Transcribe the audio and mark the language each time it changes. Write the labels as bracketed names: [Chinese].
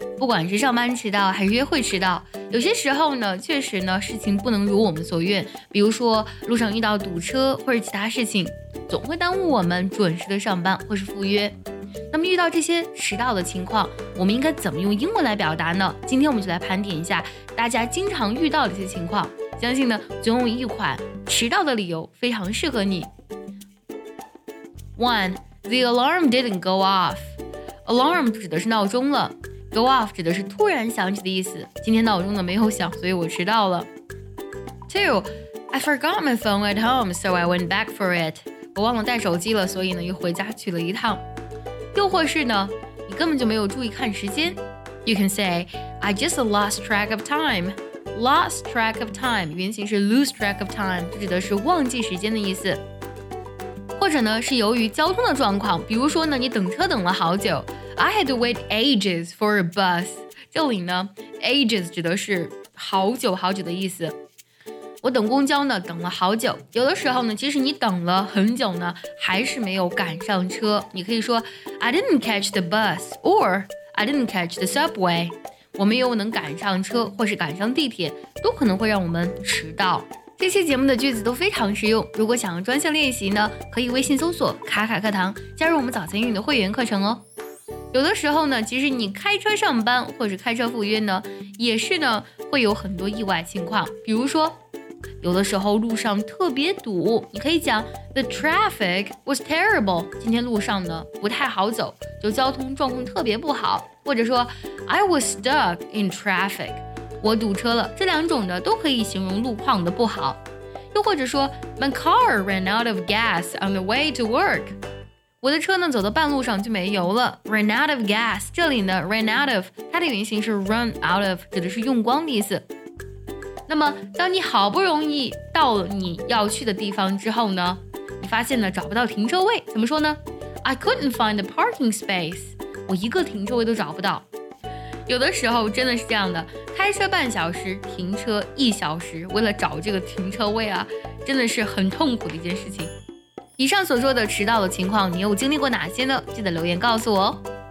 [Chinese] 不管是上班迟到还是约会迟到，有些时候呢，确实呢，事情不能如我们所愿，比如说路上遇到堵车或者其他事情，总会耽误我们准时的上班或是赴约。那么遇到这些迟到的情况，我们应该怎么用英文来表达呢？今天我们就来盘点一下大家经常遇到的一些情况，相信呢，总有一款迟到的理由非常适合你。 [English] One, the alarm didn't go off. [Chinese] Alarm 指的是闹钟了， go off 指的是突然响起的意思。今天闹钟呢没有响，所以我迟到了。 [English] Two, I forgot my phone at home, so I went back for it. [Chinese] 我忘了带手机了，所以呢又回家取了一趟。又或是呢，你根本就没有注意看时间。 [English] You can say, I just lost track of time. Lost track of time [Chinese] 原型是 [English] lose track of time， [Chinese] 指的是忘记时间的意思。或者呢，是由于交通的状况，比如说呢，你等车等了好久。 [English] I had to wait ages for a bus. [Chinese] 这里呢 ，ages 指的是好久好久的意思。我等公交呢，等了好久。有的时候呢，即使你等了很久呢，还是没有赶上车。你可以说 [English] I didn't catch the bus or I didn't catch the subway. [Chinese] 我没有能赶上车或是赶上地铁，都可能会让我们迟到。这期节目的句子都非常实用，如果想要专项练习呢，可以微信搜索卡卡课堂，加入我们早餐英语的会员课程哦。有的时候呢，即使你开车上班或者开车赴约呢，也是呢会有很多意外情况，比如说有的时候路上特别堵，你可以讲 [English] The traffic was terrible， [Chinese] 今天路上呢不太好走，就交通状况特别不好，或者说 [English] I was stuck in traffic， [Chinese] 我堵车了，这两种呢都可以形容路况的不好。又或者说 [English] My car ran out of gas on the way to work， [Chinese] 我的车呢走到半路上就没油了。 Ran out of gas， 这里呢 ran out of 它的原型是 run out of， 指的是用光的意思。那么当你好不容易到了你要去的地方之后呢，你发现呢找不到停车位，怎么说呢？ [English] I couldn't find a parking space， [Chinese] 我一个停车位都找不到。有的时候真的是这样的，开车半小时，停车一小时，为了找这个停车位啊，真的是很痛苦的一件事情。以上所说的迟到的情况，你又经历过哪些呢？记得留言告诉我哦。